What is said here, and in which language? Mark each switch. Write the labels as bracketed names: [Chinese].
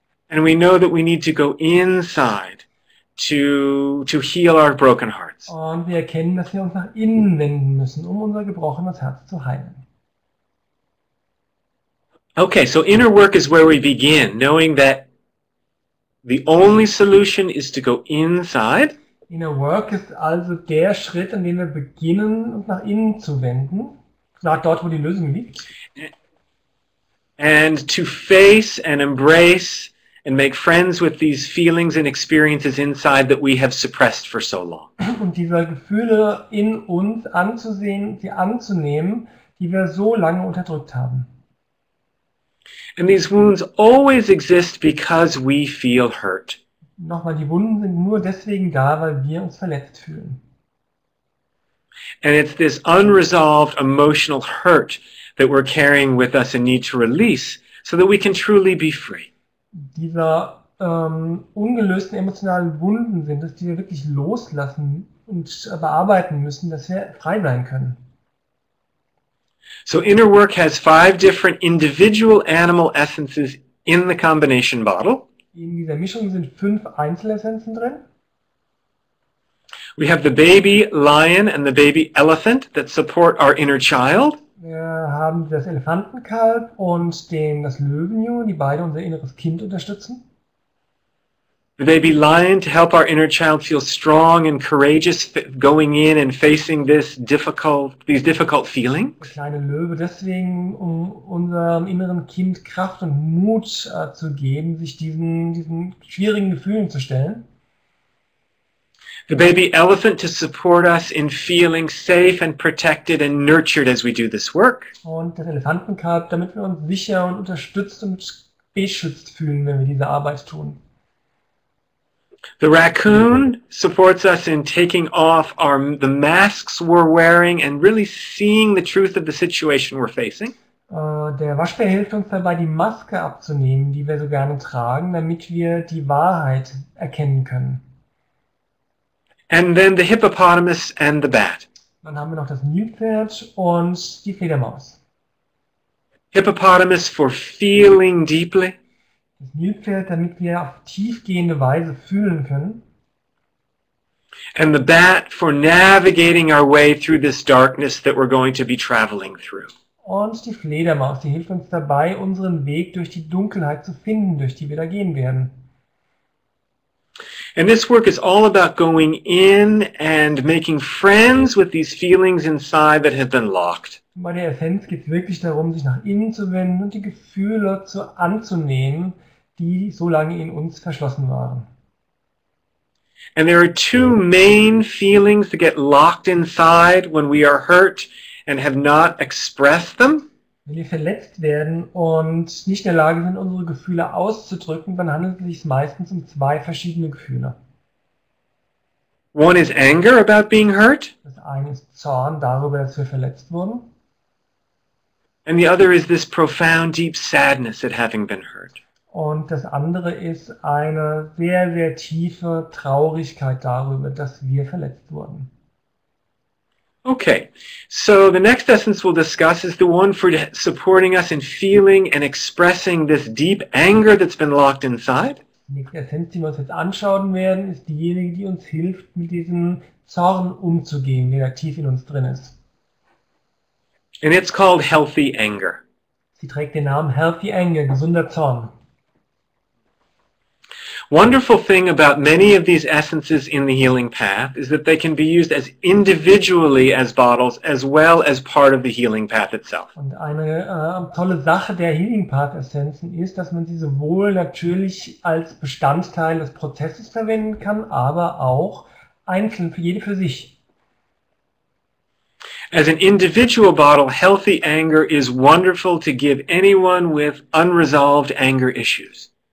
[English] And we know that we need to go inside to heal our broken hearts. [German] Und wir erkennen, dass wir uns nach innen wenden müssen, um unser gebrochenes Herz zu heilen. [English] Okay, so inner work is where we begin, knowing that the only solution is to go inside. [German] Inner work ist also der Schritt, an dem wir beginnen, uns nach innen zu wenden, nach dort, wo die Lösung liegt. [English] And to face and embrace and make friends with these feelings and experiences inside that we have suppressed for so long. [German] Und diese Gefühle in uns anzusehen, sie anzunehmen, die wir so lange unterdrückt haben. [English] And these wounds always exist because we feel hurt. [German] Nochmal, die Wunden sind nur deswegen da, weil wir uns verletzt fühlen. [English] And it's this unresolved emotional hurt that we're carrying with us and need to release, so that we can truly be free. [German] Diese ungelösten emotionalen Wunden sind es, die wir wirklich loslassen und bearbeiten müssen, dass wir frei sein können. [English] So inner work has 5 different individual animal essences in the combination bottle. [German] In dieser Mischung sind 5 Einzelessenzen drin. [English] We have the baby lion and the baby elephant that support our inner child. [German] Wir haben das Elefantenkalb und den das Löwenjunge, die beide unser inneres Kind unterstützen. [English] The baby lion to help our inner child feel strong and courageous going in and facing these difficult feelings. [German] Der kleine Löwe deswegen, um unserem inneren Kind Kraft und Mut zu geben, sich diesen schwierigen Gefühlen zu stellen. [English] The baby elephant to support us in feeling safe and protected and nurtured as we do this work. [German] Und das Elefantenkalb, damit wir uns sicher und unterstützt und beschützt fühlen, wenn wir diese Arbeit tun. [English] The raccoon supports us in taking off the masks we're wearing and really seeing the truth of the situation we're facing. [German] Der Waschbär hilft uns dabei, die Maske abzunehmen, die wir so gerne tragen, damit wir die Wahrheit erkennen können. [English] And then the hippopotamus and the bat. [German] Dann haben wir noch das Nilpferd und die Fledermaus. [English] Hippopotamus for feeling deeply. [German] Das Nilpferd, damit wir auf tiefgehende Weise fühlen können. [English] And the bat for navigating our way through this darkness that we're going to be traveling through. [German] Und die Fledermaus, die hilft uns dabei, unseren Weg durch die Dunkelheit zu finden, durch die wir da gehen werden. [English] And this work is all about going in and making friends with these feelings inside that have been locked. [German] Bei der Essenz geht es wirklich darum, sich nach innen zu wenden und die Gefühle anzunehmen, die so lange in uns verschlossen waren. [English] And there are 2 main feelings that get locked inside when we are hurt and have not expressed them. [German] Wenn wir verletzt werden und nicht in der Lage sind, unsere Gefühle auszudrücken, dann handelt es sich meistens um 2 verschiedene Gefühle. [English] One is anger about being hurt. [German] Das eine ist Zorn darüber, dass wir verletzt wurden. [English] And the other is this profound, deep sadness at having been hurt. [German] Und das andere ist eine sehr, sehr tiefe Traurigkeit darüber, dass wir verletzt wurden. [English] Okay, so the next essence we'll discuss is the one for supporting us in feeling and expressing this deep anger that's been locked inside. [German] Die nächste Essenz, die wir uns jetzt anschauen werden, ist diejenige, die uns hilft, mit diesem Zorn umzugehen, der tief in uns drin ist. [English] And it's called healthy anger. [German] Sie trägt den Namen healthy anger, gesunder Zorn. [English] Wonderful thing about many of these essences in the healing path is that they can be used as individually as bottles as well as part of the healing path itself. [German] Und eine tolle Sache der Healing Path Essenzen ist, dass man sie sowohl natürlich als Bestandteil des Prozesses verwenden kann, aber auch einzeln für jede für sich. [English] As an individual bottle, healthy anger is wonderful to give anyone with unresolved anger issues.